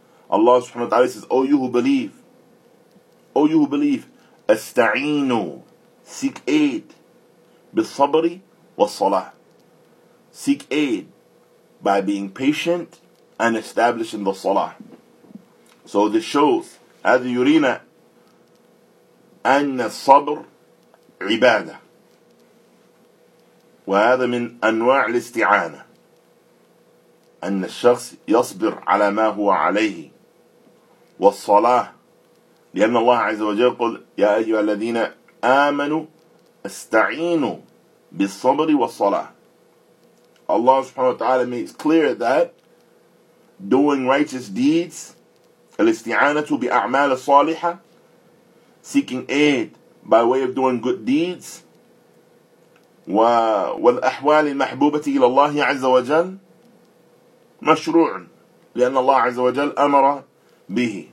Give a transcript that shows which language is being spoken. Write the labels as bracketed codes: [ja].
[en] Allah subhanahu wa ta'ala says, O you who believe, O you who believe, استعينوا, seek aid, [ar] بِالصَّبْرِ وَالصَّلَاةِ. [en] Seek aid by being patient and establishing the salah. So this shows, [ar] هذا يرينا أن الصبر عبادة وهذا من أنواع الاستعانة أن الشخص يصبر على ما هو عليه والصلاة لأن الله عز وجل قل يا أيها الذين آمنوا استعينوا بالصبر والصلاة. [en] Allah subhanahu wa ta'ala makes clear that doing righteous deeds, [ar] الاستعانه باعمال الصالحه, [en] seeking aid by way of doing good deeds, [ar] والاحوال المحبوبه الى الله عز وجل, مشروع لان الله عز وجل امر به.